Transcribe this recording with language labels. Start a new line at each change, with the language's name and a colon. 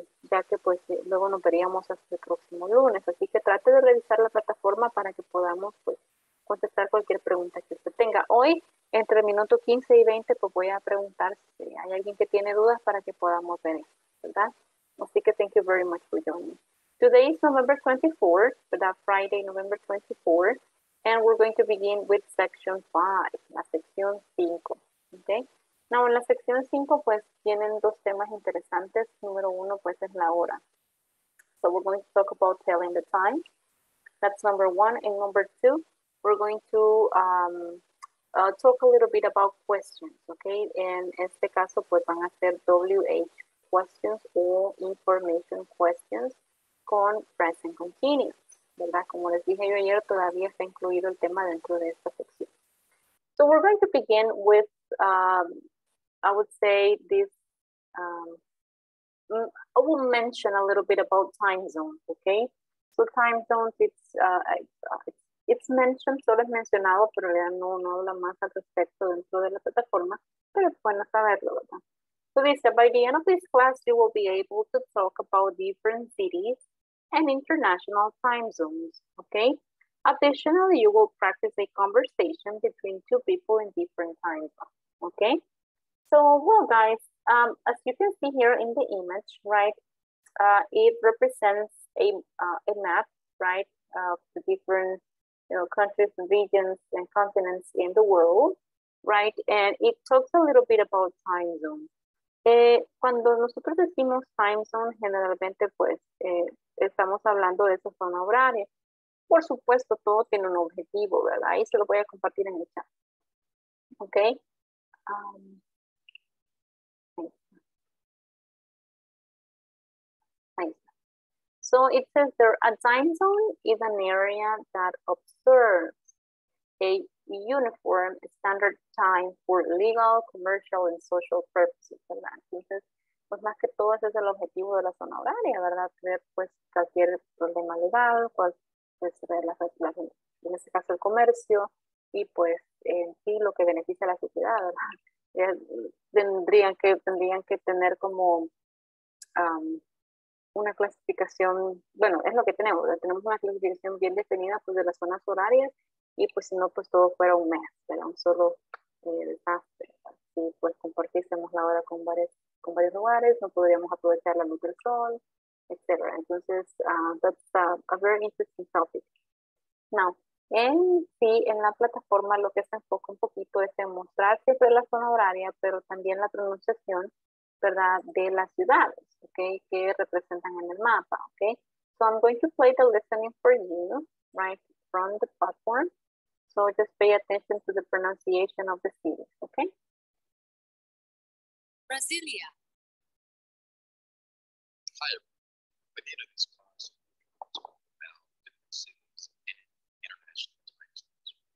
Spanish: Ya que pues luego nos veríamos hasta el próximo lunes. Así que trate de revisar la plataforma para que podamos pues contestar cualquier pregunta que usted tenga. Hoy, entre el minuto 15 y 20, pues voy a preguntar si hay alguien que tiene dudas para que podamos ver, ¿verdad? Así que
English: thank you very much for joining. Today is November 24, ¿verdad? Friday, November 24. And we're going to begin with section 5,
Spanish: la sección 5,
English: ¿ok?
Spanish: No, en la sección 5, pues, tienen dos temas interesantes. Número uno, pues, es la hora.
English: So, we're going to talk about telling the time. That's number one. And number two, we're going to talk a little bit about questions, okay?
Spanish: En este caso, pues, van a ser
English: WH questions or information questions
Spanish: con present continuous, ¿verdad? Como les dije yo ayer, todavía está incluido el tema dentro de esta sección.
English: So, we're going to begin with I would say this, I will mention a little bit about time zones, okay? So time zones, it's mentioned,
Spanish: solo es mencionado, pero ya no habla más al respecto dentro de la plataforma, pero es bueno saberlo, ¿verdad?
English: So they said, by the end of this class, you will be able to talk about different cities and international time zones, okay? Additionally, you will practice a conversation between two people in different time zones, okay? So, well, guys, as you can see here in the image, right, it represents a map, right, of the different, you know, countries and regions and continents in the world, right? And it talks a little bit about time zone.
Spanish: Cuando nosotros decimos time zone, generalmente, pues, estamos hablando de esa zona horaria. Por supuesto, todo tiene un objetivo, ¿verdad? Ahí se lo voy a compartir en el chat, okay?
English: So it says there, a time zone is an area that observes a uniform standard time for legal, commercial, and social purposes.
Spanish: Entonces, pues más que todo, ese es el objetivo de la zona horaria, ¿verdad? Tener pues cualquier problema legal, pues ver las reglas, en este caso el comercio, y pues en sí lo que beneficia a la sociedad, ¿verdad? Tendrían que tener como una clasificación, bueno, es lo que tenemos, ¿verdad? Tenemos una clasificación bien definida pues de las zonas horarias, y pues si no, pues todo fuera un mes, era un solo desastre. Si pues compartiésemos la hora con varios lugares, no podríamos aprovechar la luz del sol, etc. Entonces,
English: that's a very interesting topic. Now,
Spanish: en sí, en la plataforma lo que se enfoca un poquito es en mostrar siempre la zona horaria, pero también la pronunciación, ¿verdad?, de las ciudades, okay, que representan en el mapa, okay.
English: So I'm going to play the listening for you, right, from the platform. So just pay attention to the pronunciation of the cities, okay. Brasilia. Five. We need a response. About the cities in international time zones.